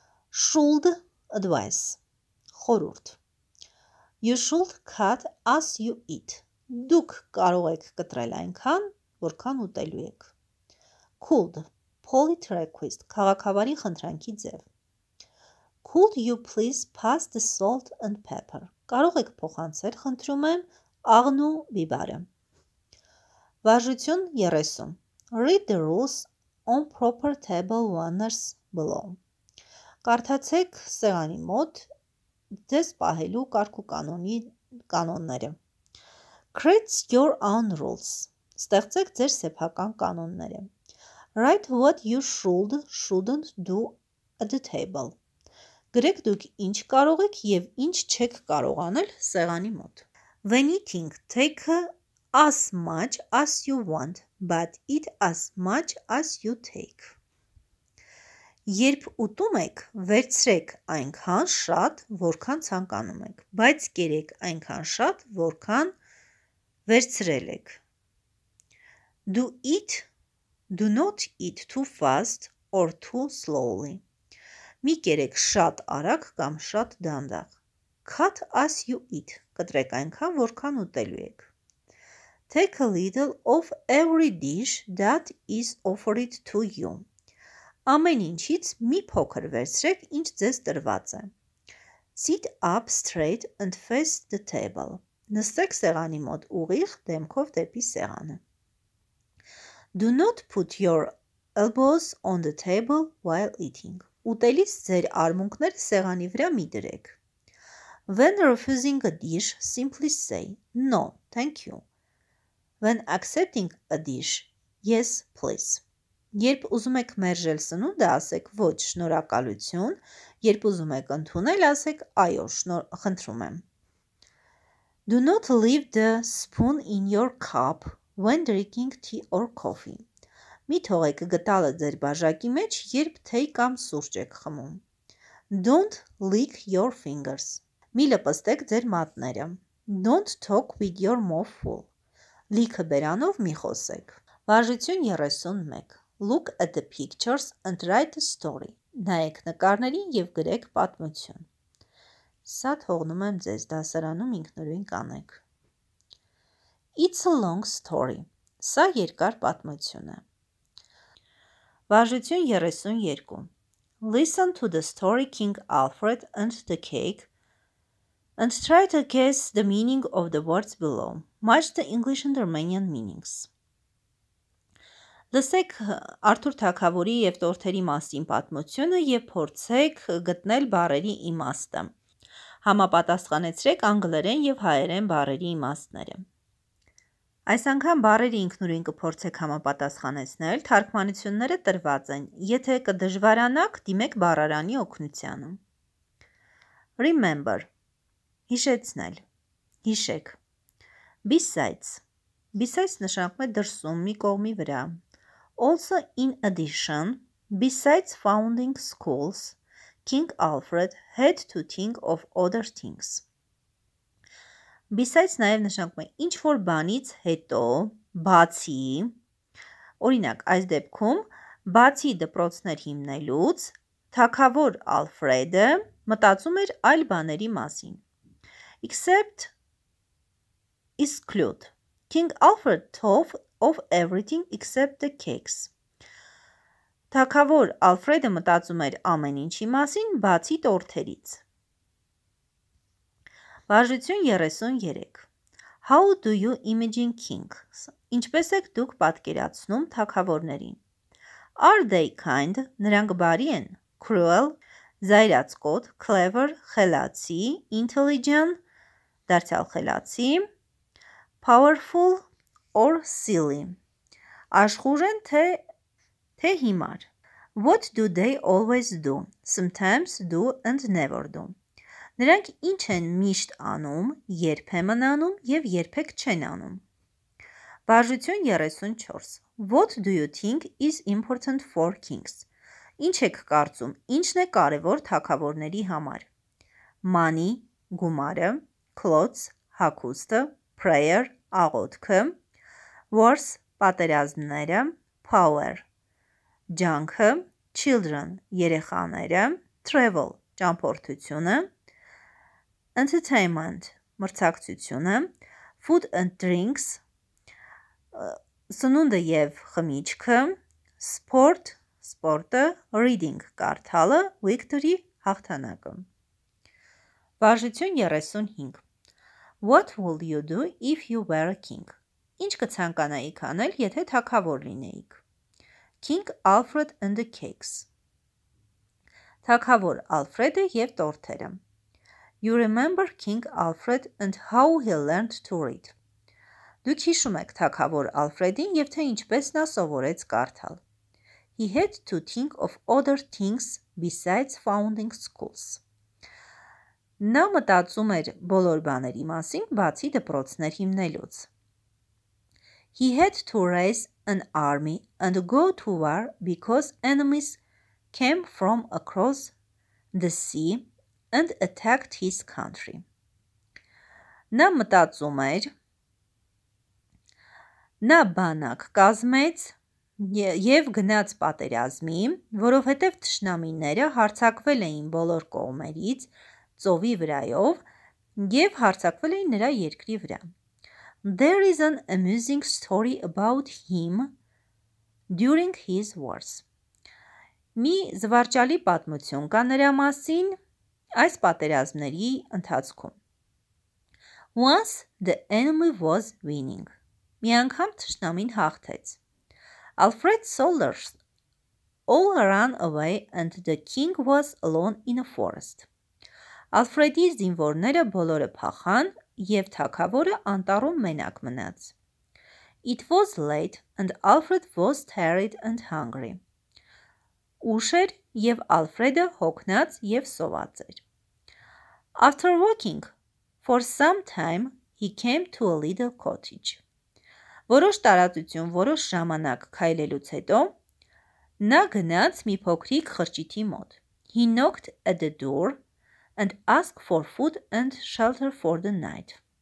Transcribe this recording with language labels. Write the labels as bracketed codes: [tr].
[en] Should advice. [hy] Խորուրդ։ [en] You should cut as you eat. [hy] Դուք կարող եք կտրել այնքան, որքան ուտելու եք։ [en] Could. Polite request. [hy] Քաղաքավարի խնդրանքի ձև։ [en] Could you please pass the salt and pepper? [hy] Կարող եք փոխանցել, խնդրում եմ, աղն ու բիբարը։ Վարժություն 30. [en] Read the rules on proper table runners below. [hy] Կարդացեք սեղանի մոտ ձեզ պահելու կարգու կանոնի կանոնները. [en] Create your own rules. [hy] Ստեղծեք ձեր սեփական կանոնները. [en] Write what you should, shouldn't do at the table. [hy] Գրեք դուք ինչ կարող եք և ինչ չեք կարող անել սեղանի մոտ. [en] When eating, take as much as you want, but eat as much as you take. [hy] Երբ ուտում եք, վերցրեք այնքան շատ, որքան ցանկանում եք, բայց կերեք այնքան շատ, որքան վերցրել եք. [en] Do eat, do not eat too fast or too slowly. [hy] Մի կերեք շատ արագ կամ շատ դանդաղ. [en] Cut as you eat, [hy] կտրեք այնքան, որքան ուտելու եք. [en] Take a little of every dish that is offered to you. [hy] Ամեն ինչից մի փոքր վերցրեք, ինչ ձեզ տրված է. [en] Sit up straight and face the table. [hy] Նստեք սեղանի մոտ ուղիղ, դեմքով դեպի սեղանը. [en] Do not put your elbows on the table while eating. [hy] Ուտելիս ձեր արմունքները սեղանի վրա մի դրեք. [en] When refusing a dish, simply say, no, thank you. When accepting a dish, yes, please. [hy] Երբ ուզում եք մերժել սնունդը, ասեք ոչ, շնորհակալություն, երբ ուզում եք ընդունել, ասեք այո, խնդրում եմ. [en] Do not leave the spoon in your cup when drinking tea or coffee. [hy] Մի թողեք գտալը ձեր բաժակի մեջ, երբ թեյ կամ սուրճ եք խմում. [en] Don't lick your fingers. [hy] Մի լպստեք ձեր մատները. [en] Don't talk with your mouth full. [hy] Լիքը բերանով մի խոսեք. Վարժություն 31. [en] Look at the pictures and write a story. [hy] Նայեք նկարներին և գրեք պատմություն. Սա թողնում եմ ձեզ դասարանում ինքնուրույն կանեք. [en] It's a long story. [hy] Սա երկար պատմություն է. Վարժություն 32. [en] Listen to the story King Alfred and the cake and try to guess the meaning of the words below. Match the English and Romanian meanings. [hy] Լսեք Արթուր թագավորի և տորթերի մասին պատմությունը և փորձեք գտնել բառերի իմաստը։ Համապատասխանեցրեք անգլերեն և հայերեն բառերի իմաստները։ Այս անգամ բառերի ինքնուրույն կփորձեք համապատասխանեցնել, թարգմանությունները տրված են։ Եթե կդժվարանաք, դիմեք բառարանի օգնությանը։ [en] Remember. [hy] Հիշեցնել. Հիշեք. [en] Besides. Besides [hy] նշանակում է դրսում, մի կողմի վրա։ [en] Also in addition, besides founding schools, King Alfred had to think of other things. [hy] Besides նաև նշանակում է ինչ որ բանից հետո, բացի, օրինակ այս դեպքում, բացի դպրոցներ հիմնելուց, թագավոր Ալֆրեդը մտածում էր այլ բաների մասին. [en] Except exclude. King Alfred thought of everything except the cakes. [hy] Թագավոր Ալֆրեդը մտածում էր ամեն ինչի մասին, բացի տորթերից. Վարժություն 33. [en] How do you imagine kings? [hy] Ինչպես եք դուք պատկերացնում թագավորներին? [en] Are they kind? [hy] Նրանք բարի են. [en] Cruel, զայրացկոտ, clever, խելացի, intelligent, [hy] դարձյալ խելացի, [en] powerful or silly. [hy] Աշխուժ են թե հիմար. [en] What do they always do? Sometimes do and never do. [hy] Նրանք ինչ են միշտ անում, երբեմն անում և երբեք չեն անում. Վարժություն 34. [en] What do you think is important for kings? [hy] Ինչ եք կարծում, ինչն է կարևոր թագավորների համար? [en] Money, գումարը, clothes, հագուստը, prayer, աղոթքը, wars, պատերազմները, power, ջանքը, children, երեխաները, travel, ճամփորդությունը, entertainment, մրցակցությունը, food and drinks, [hy] սնունդը և խմիչքը, sport, սպորտը, reading, կարդալը, victory, հաղթանակը։ Վարժություն 35. [en] What would you do if you were a king? [hy] Ինչ կցանկանայիք անել, եթե թագավոր լինեիք? [en] King Alfred and the cakes. [hy] Թագավոր Ալֆրեդը եւ տորթերը. [en] You remember King Alfred and how he learned to read. [hy] Դուք հիշում եք թագավոր Ալֆրեդին եւ թե ինչպես նա սովորեց կարդալ. [en] He had to think of other things besides founding schools. [hy] Նա մտածում էր բոլոր բաների մասին, բացի դպրոցներ հիմնելուց. [en] He had to raise an army and go to war because enemies came from across the sea and attacked his country. [hy] Նա մտածում էր, նա բանակ կազմեց եւ գնաց պատերազմի, որովհետեւ թշնամիները հարձակվել էին բոլոր կողմերից ծովի վրայով եւ հարձակվել էին նրա երկրի վրա. [en] There is an amusing story about him during his wars. [hy] Մի զվարճալի պատմություն կա նրա մասին այս պատերազմների ընթացքում. [en] Once the enemy was winning. [hy] Մի անգամ թշնամին հաղթեց. [en] Alfred's soldiers all ran away and the king was alone in a forest. [hy] Ալֆրեդի զինվորները բոլորը փախան եւ թագավորը անտառում մենակ մնաց. [en] It was late and Alfred was tired and hungry. [hy] Ուշ էր եւ Ալֆրեդը հոգնած եւ սոված էր. [en] After walking for some time he came to a little cottage. [hy] Որոշ տարածություն, որոշ ժամանակ քայլելուց հետո նա գնաց մի փոքրիկ խրճիթի մոտ. [en] He knocked at the door and ask for food and shelter for the night.